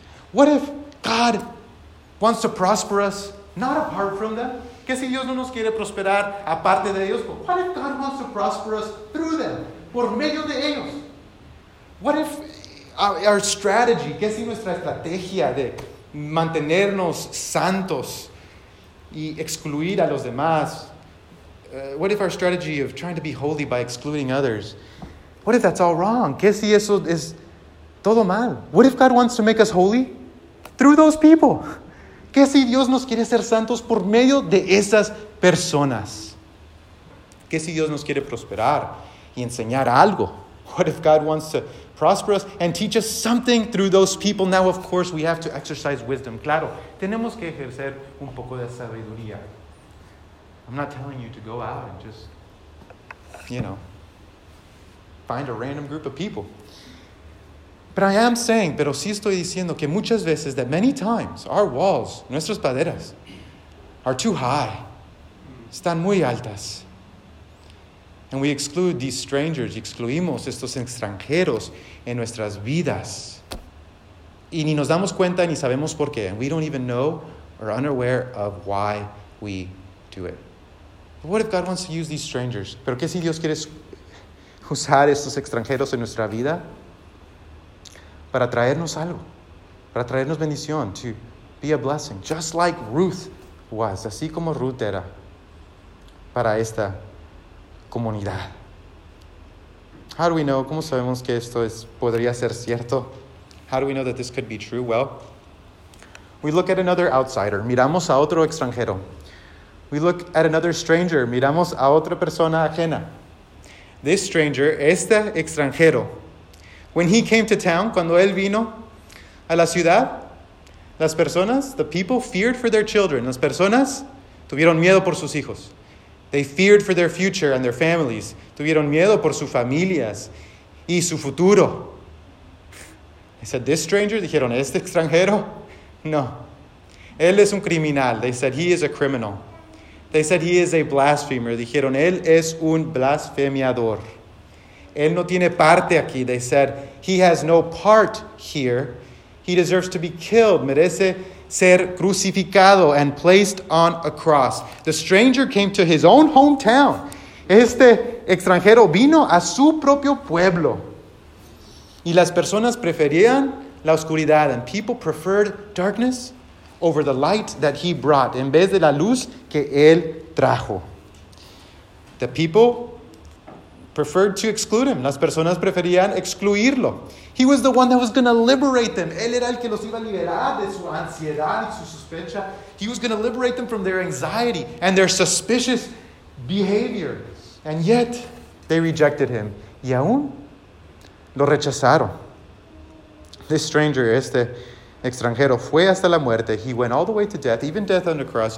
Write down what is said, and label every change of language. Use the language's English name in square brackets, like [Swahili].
[English] What if God wants to prosper us, not apart from them? [Spanish] ¿Qué si Dios no nos quiere prosperar aparte de ellos? [English] What if God wants to prosper us through them, [Spanish] por medio de ellos? [English] What if our strategy, [Spanish] ¿qué si nuestra estrategia de mantenernos santos y excluir a los demás? [English] What if our strategy of trying to be holy by excluding others, what if that's all wrong? [Spanish] ¿Qué si eso es todo mal? [English] What if God wants to make us holy? Through those people. [Spanish] ¿Qué si Dios nos quiere ser santos por medio de esas personas? ¿Qué si Dios nos quiere prosperar y enseñar algo? [English] What if God wants to prosper us and teach us something through those people? Now, of course, we have to exercise wisdom. [Spanish] Claro, tenemos que ejercer un poco de sabiduría. [English] I'm not telling you to go out and just, you know, find a random group of people. But I am saying, [Spanish] pero sí estoy diciendo que muchas veces, [English] that many times, our walls, [Spanish] nuestras paredes, [English] are too high. [Spanish] Están muy altas. [English] And we exclude these strangers. [Spanish] Excluimos estos extranjeros en nuestras vidas. Y ni nos damos cuenta ni sabemos por qué. [English] And we don't even know or unaware of why we do it. But what if God wants to use these strangers? [Spanish] ¿Pero qué si Dios quiere usar estos extranjeros en nuestra vida? Para traernos algo, para traernos bendición, [English] to be a blessing, just like Ruth was, [Spanish] así como Ruth era, para esta comunidad. [English] How do we know? [Spanish] ¿Cómo sabemos que esto es, podría ser cierto? [English] How do we know that this could be true? Well, we look at another outsider. [Spanish] Miramos a otro extranjero. [English] We look at another stranger. [Spanish] Miramos a otra persona ajena. [English] This stranger, [Spanish] este extranjero, [English] when he came to town, [Spanish] cuando él vino a la ciudad, las personas, [English] the people feared for their children. [Spanish] Las personas tuvieron miedo por sus hijos. [English] They feared for their future and their families. [Spanish] Tuvieron miedo por sus familias y su futuro. [English] They said, this stranger, [Spanish] dijeron, este extranjero, no. Él es un criminal. [English] They said, he is a criminal. They said, he is a blasphemer. [Spanish] Dijeron, él es un blasfemiador. Él no tiene parte aquí. [English] They said, he has no part here. He deserves to be killed. [Spanish] Merece ser crucificado [English] and placed on a cross. The stranger came to his own hometown. [Spanish] Este extranjero vino a su propio pueblo. Y las personas preferían la oscuridad. [English] And people preferred darkness over the light that he brought. [Spanish] En vez de la luz que él trajo. [English] The people preferred to exclude him. [Spanish] Las personas preferían excluirlo. [English] He was the one that was going to liberate them. [Spanish] Él era el que los iba a liberar de su ansiedad y su sospecha. [English] He was going to liberate them from their anxiety and their suspicious behavior. And yet, they rejected him. [Spanish] Y aún, lo rechazaron. [English] This stranger, [Spanish] este extranjero, fue hasta la muerte. [English] He went all the way to death, even death on the cross.